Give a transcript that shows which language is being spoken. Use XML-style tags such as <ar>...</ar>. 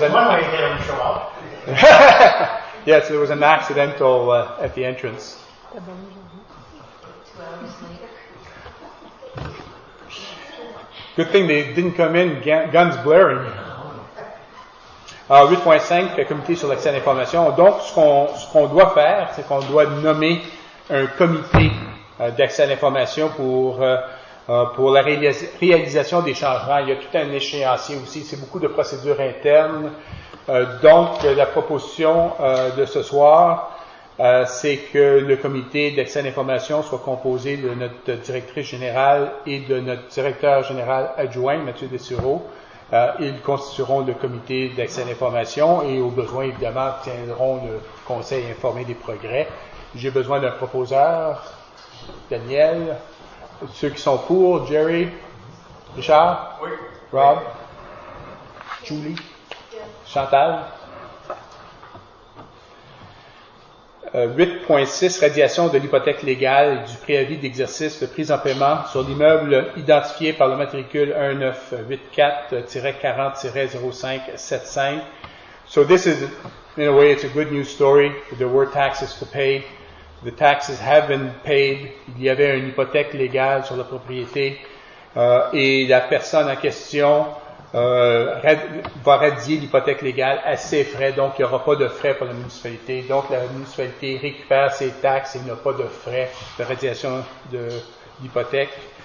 <en>One way to get them to show up. Yes, there was an accidental at the entrance. 2 hours later. Good thing they didn't come in, guns blaring.</en> <fr>8.5, le comité sur l'accès à l'information. Donc, ce qu'on doit faire, c'est qu'on doit nommer un comité d'accès à l'information pour la réalisation des changements. Il y a tout un échéancier aussi. C'est beaucoup de procédures internes. Donc, la proposition de ce soir... c'est que le comité d'accès à l'information soit composé de notre directrice générale et de notre directeur général adjoint, Mathieu Dessureau. Ils constitueront le comité d'accès à l'information et au besoin, évidemment, tiendront le conseil informé des progrès. J'ai besoin d'un proposeur, Daniel. Ceux qui sont pour, Jerry, Richard, oui. Rob, oui. Julie, oui. Chantal. 8.6, radiation de l'hypothèque légale du préavis d'exercice de prise en paiement sur l'immeuble identifié par le matricule 1984-40-0575.</fr> <en>So this is, in a way, it's a good news story. There were taxes to pay. The taxes have been paid.</en> <fr>Il y avait une hypothèque légale sur la propriété. Et la personne en question va radier l'hypothèque légale à ses frais, donc il n'y aura pas de frais pour la municipalité. Donc la municipalité récupère ses taxes et n'a pas de frais de radiation de l'hypothèque.</fr>